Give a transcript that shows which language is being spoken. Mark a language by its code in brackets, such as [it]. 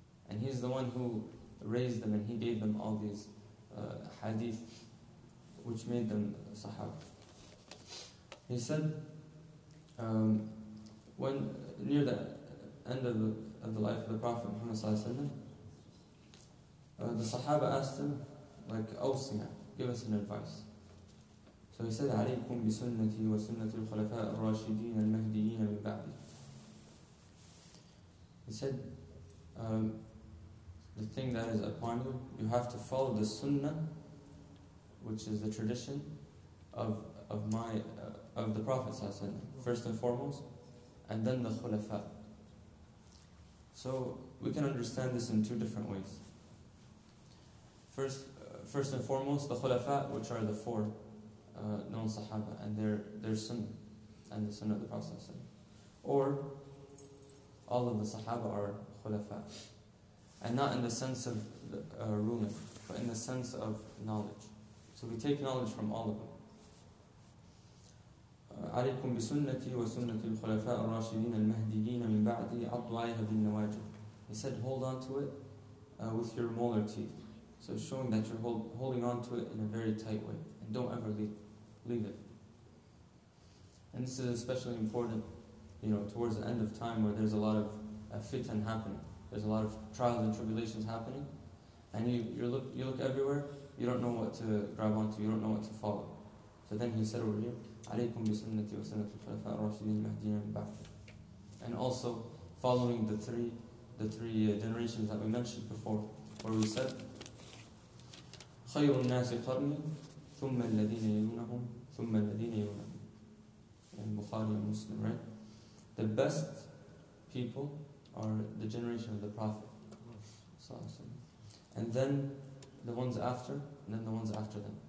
[en] And he's the one who raised them and he gave them all these hadith, which made them sahaba. He said, when near the end of the life of the Prophet Muhammad ﷺ, the sahaba asked him, like awsiya, give us an advice. So he said, [ar] عليكم بسنتي وسنة الخلفاء الراشدين المهديين من بعدي. [en] He said, the thing that is upon you, you have to follow the sunnah, which is the tradition of the Prophet صلى الله عليه وسلم, first and foremost, and then the khulafa. So we can understand this in two different ways. First and foremost, the khulafa, which are the four known sahaba and their sunnah and the sunnah of the Prophet صلى الله عليه وسلم. Or all of the sahaba are khulafa, and not in the sense of ruling, but in the sense of knowledge. So we take knowledge from all of them. [ar] عليكم بسنتي وسنة الخلفاء الراشدين المهديين من بعدي عضوا عليها بالنواجذ. [en] He said, hold on to it with your molar teeth. So showing that you're holding on to it in a very tight way, and don't ever leave it. And this is especially important, you know, towards the end of time where there's a lot of fitan happening. There's a lot of trials and tribulations happening, and you look everywhere. You don't know what to grab onto. You don't know what to follow. So then he said over here, [ar] عليكم بسنتي وسنة الخلفاء الراشدين المهديين من بعدي. [en] And also following the three generations that we mentioned before, where we said, [ar] خير الناس قرني ثم الذين يلونهم [en] ثم الذين يلونهم. In Bukhari and Muslim, right? The best people are the generation of the Prophet, and then the ones after, and then the ones after them.